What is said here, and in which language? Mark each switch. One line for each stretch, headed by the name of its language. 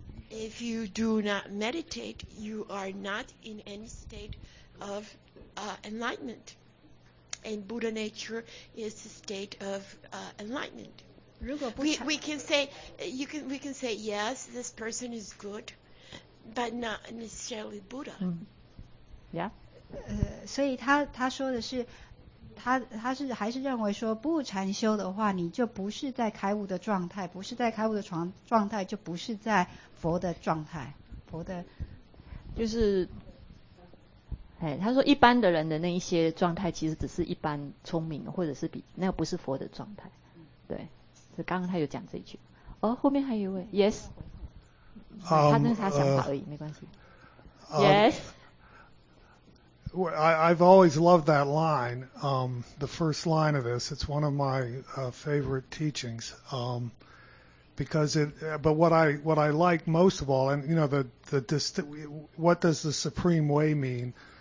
English: If you do not meditate, you are not in any state of enlightenment. And Buddha nature is a state of enlightenment. We can say, yes, this person is good, but not necessarily Buddha. Yeah.
Chinese: 所以他说的是他是还是认为说不禅修的话，你就不是在开悟的状态，不是在开悟的状态，就不是在佛的状态。佛的，就是，他说一般的人的那一些状态，其实只是一般聪明，或者是比那个不是佛的状态。对，是刚刚他有讲这一句。后面还有一位 ，
English: Yes，
Chinese: 他那是他想法而已，没关系。
English: Yes。 I've always loved that line, the first line of this. It's one of my favorite teachings, but what I like most of all, and you know, what does the supreme way mean?